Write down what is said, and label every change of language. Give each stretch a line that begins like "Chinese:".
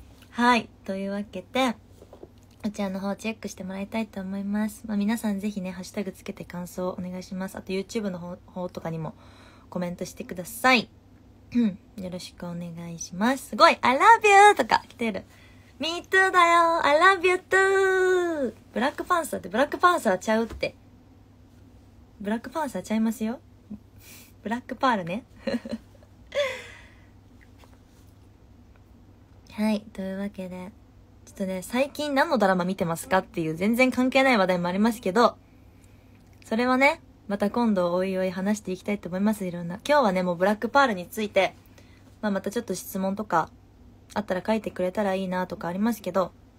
Japanese: はい、というわけでこちらの方チェックしてもらいたいと思います。まあ、皆さんぜひね、ハッシュタグつけて感想をお願いします。あと YouTube の方とかにもコメントしてください。よろしくお願いします。すごい、
English: I love you
Japanese: とか来てる。
English: Me too
Japanese: だよ、
English: I love you too。
Japanese: ブラックパンサーって、ブラックパンサーちゃうって、ブラックパンサーちゃいますよ、ブラックパールね。はい、というわけで、ちょっとね、最近何のドラマ見てますかっていう全然関係ない話題もありますけど、それはね、また今度おいおい話していきたいと思います。いろんな、今日はね、もうブラックパールについて、まあ、またちょっと質問とかあったら書いてくれたらいいなとかありますけど、